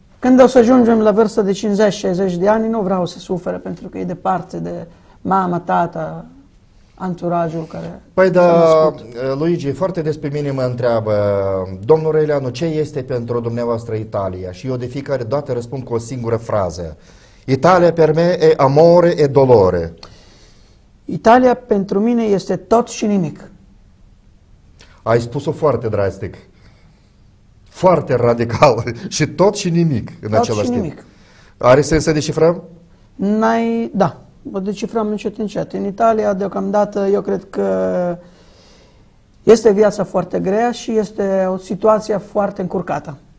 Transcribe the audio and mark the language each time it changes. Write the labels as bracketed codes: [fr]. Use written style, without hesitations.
[ro] Când o să ajungem la vârsta de 50-60 de ani, nu vreau să sufere pentru că e departe de mama, tata, anturajul care... Păi da, Luigi, foarte des pe mine mă întreabă, domnul Răileanu, ce este pentru dumneavoastră Italia? Și eu de fiecare dată răspund cu o singură frază. [it] Italia per me e amore e dolore. [ro] Italia pentru mine este tot și nimic. Ai spus-o foarte drastic, foarte radical și tot și nimic în tot același și timp. Nimic. Are sens să decifrăm? N-ai, da, o decifrăm încet, încet. În Italia, deocamdată, eu cred că este viața foarte grea și este o situație foarte încurcată.